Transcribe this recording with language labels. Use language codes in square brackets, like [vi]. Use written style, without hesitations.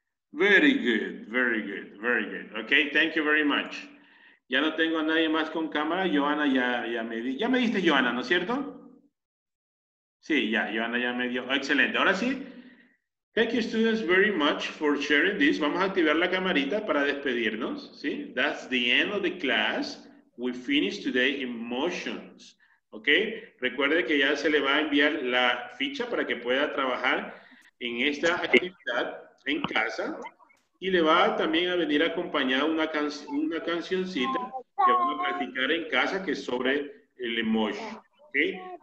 [en] Very good, very good, very good. Okay, thank you very much. [es] Ya no tengo a nadie más con cámara. Joana ya me diste Joana, ¿no es cierto? Sí, ya, Joana ya me dio. Oh, excelente. Ahora sí. [en] Thank you students very much for sharing this. [es] Vamos a activar la camarita para despedirnos, ¿sí? [en] That's the end of the class. We finish today in motions. Okay? [es] Recuerde que ya se le va a enviar la ficha para que pueda trabajar en esta actividad en casa, y le va también a venir acompañada una cancioncita que vamos a practicar en casa, que es sobre el emoji, ¿okay?